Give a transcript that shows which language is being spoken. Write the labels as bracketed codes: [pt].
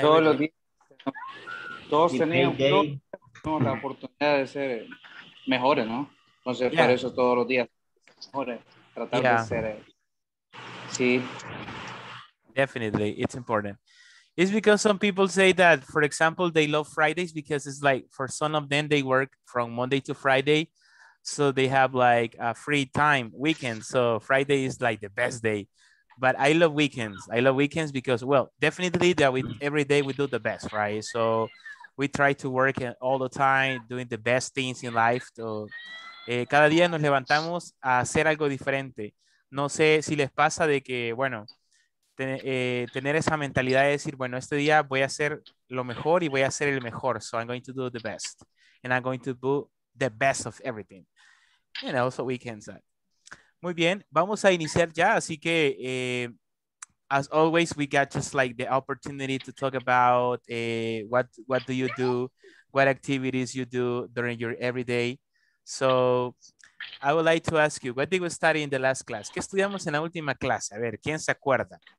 [es] Todos tenemos la oportunidad de ser mejores, ¿no? Entonces, yeah. Para eso todos los días mejores, tratar yeah. De ser. Sí. [en] Definitely, it's important. It's because some people say that, for example, they love Fridays because it's like for some of them they work from Monday to Friday, so they have like a free time weekend. So Friday is like the best day. But I love weekends. I love weekends because, well, definitely that we every day we do the best, right? So we try to work all the time, doing the best things in life. [es] So, cada día nos levantamos a hacer algo diferente. No sé si les pasa de que, bueno, tener esa mentalidad de decir, bueno, este día voy a hacer lo mejor y voy a hacer el mejor. [en] So I'm going to do the best. And I'm going to do the best of everything. And also weekends. [es] Muy bien, vamos a iniciar ya. Así que, [en] as always, we got just like the opportunity to talk about what do you do, what activities you do during your everyday. So I would like to ask you, what did we study in the last class? [es] ¿Qué estudiamos en la última clase? A ver, ¿quién se acuerda?